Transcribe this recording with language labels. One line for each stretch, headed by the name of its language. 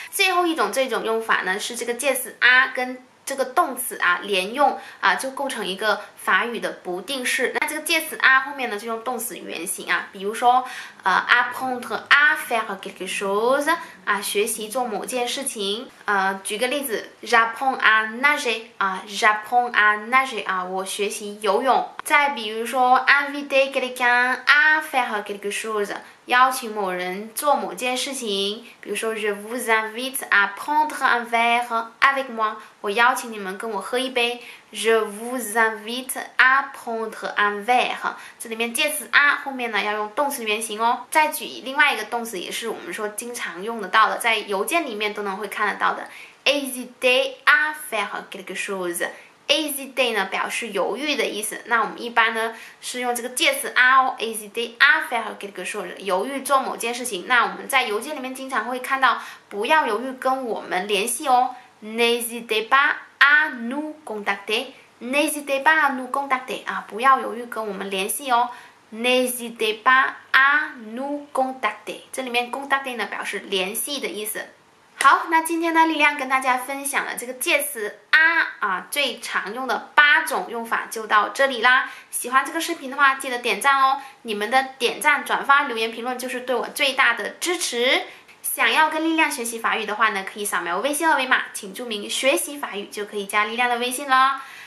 Chinese: 最后一种这种用法呢，是这个介词 à 跟这个动词啊连用啊，就构成一个法语的不定式。那这个介词啊后面呢就用动词原形啊，比如说
French: apprendre à faire quelque chose
Chinese: 啊，学习做某件事情。
French: 举个例子 ，j'apprends à nager 啊 ，j'apprends à nager 啊，
Chinese: 我学习游泳。
French: 再比如说 ，inviter quelqu'un à faire quelque chose，
Chinese: 邀请某人做某件事情。
French: 比如说 ，je vous invite à prendre un verre avec moi，
Chinese: 我邀请你们跟我喝一杯。
French: Je vous invite à prendre un verre。
Chinese: 这里面介词 à 后面呢要用动词原形哦。再举另外一个动词，也是我们说经常用得到的，在邮件里面都能会看得到的。
French: Hésiter à faire quelque chose。
Chinese: Hésiter 呢表示犹豫的意思。那我们一般呢是用这个介词 à 哦。
French: Hésiter à faire quelque chose，
Chinese: 犹豫做某件事情。那我们在邮件里面经常会看到，不要犹豫跟我们联系哦。
French: N'hésitez pas。 à nous contacter， n'hésitez pas à nous contacter 啊，
Chinese: 不要犹豫跟我们联系哦。
French: n'hésitez pas à nous contacter，
Chinese: 这里面 contacter 呢表示联系的意思。好，那今天呢，力量跟大家分享了这个介词 啊最常用的八种用法就到这里啦。喜欢这个视频的话，记得点赞哦。你们的点赞、转发、留言、评论就是对我最大的支持。想要跟力量学习法语的话呢，可以扫描微信二维码，请注明学习法语就可以加力量的微信了。